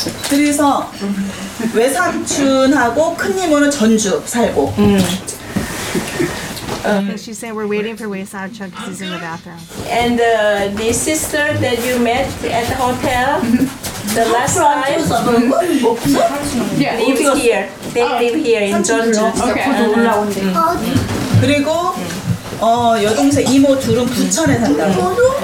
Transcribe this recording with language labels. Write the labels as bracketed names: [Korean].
[Korean] 그래서 외삼촌하고 큰이모는 전주 살고. [English] She's saying we're waiting for Wesamchun because he's in the bathroom. And the sister that you met at the hotel, the last time, lives here. They live here in Jeonju. Okay. Uh-huh. [Korean] 그리고 여동생 이모 둘은 부천에 산다고.